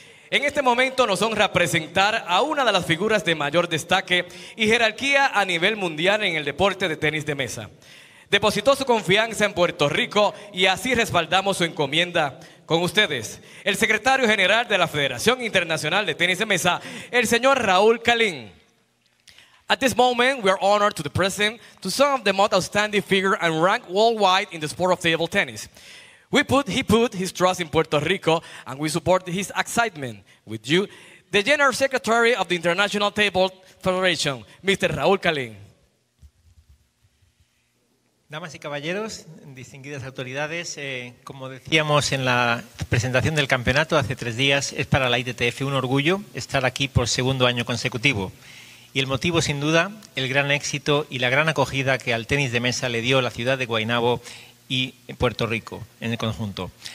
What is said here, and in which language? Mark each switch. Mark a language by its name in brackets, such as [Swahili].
[Spanish] En este momento nos honra presentar a una de las figuras de mayor destaque y jerarquía a nivel mundial en el deporte de tenis de mesa. Depositó su confianza en Puerto Rico y así respaldamos su encomienda. Con ustedes, el secretario general de la Federación Internacional de Tenis de Mesa, el señor Raúl Calín. [English] At this moment, we are honored to present to some of the most outstanding figure and rank worldwide in the sport of table tennis. He put his trust in Puerto Rico, and we support his excitement with you, the General Secretary of the International Table Federation, Mr. Raúl Calín. [Spanish] Damas y caballeros, distinguidas autoridades, como decíamos en la presentación del campeonato hace 3 días, es para la ITTF un orgullo estar aquí por segundo año consecutivo. Y el motivo, sin duda, el gran éxito y la gran acogida que al tenis de mesa le dio la ciudad de Guaynabo y Puerto Rico en el conjunto.